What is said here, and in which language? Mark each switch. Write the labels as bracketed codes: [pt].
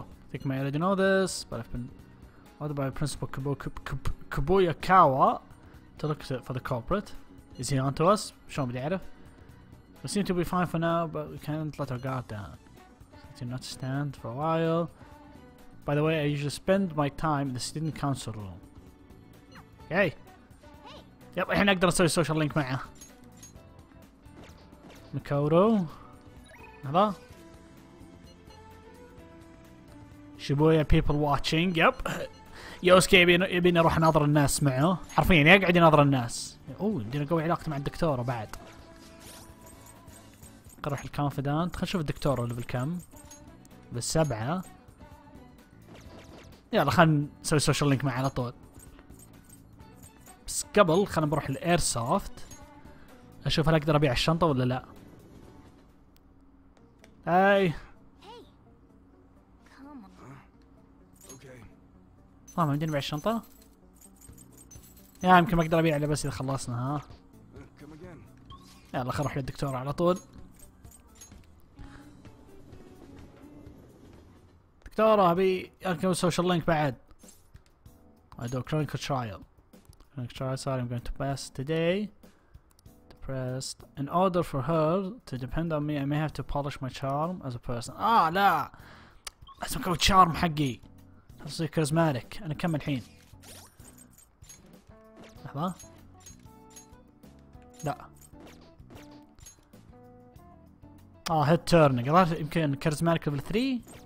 [en] I think I already know this, but I've been ordered by Principal Kubuyakawa to look for the culprit. Is he on to us? Show me the data. We seem to be fine for now, but we can't let our guard down. We do not stand for a while. By the way, I usually spend my time in the student council room. Okay. Hey. [ar] Yep, إحنا نقدر نسوي social link معه. Mikoto. هذا. [en] Shibuya people watching. Yep. [ar] Yosuke يبيني أروح أناظر الناس معه. حرفياً يقعد يناظر الناس. أوه بدينا قوي علاقتي مع الدكتورة بعد. قروح الكونفيدانت. خلينا نشوف الدكتورة ليفل كم. بالسبعة. يلا خلينا نسوي سوشيال لينك معه على طول. بس قبل خلينا نروح الاير سوفت. أشوف هل أقدر أبيع الشنطة ولا لا. أي. ها ما بدينا نبيع الشنطة؟ يا يمكن ما اقدر ابيعها بس اذا خلصنا ها. يلا خل اروح للدكتور على طول. دكتورة ابي اركب السوشيال لينك بعد. [en] I do a clinical trial. Clinical trial sorry I'm going to pass today. Depressed. In order for her to depend on me I may have to polish my charm as a person. [ar] آه لا! لازم اكون charm حقي. خلصي كاريزماتيك انا كم الحين لحظة لا هيد تيرن قدرت يمكن كاريزماتيك ليفل 3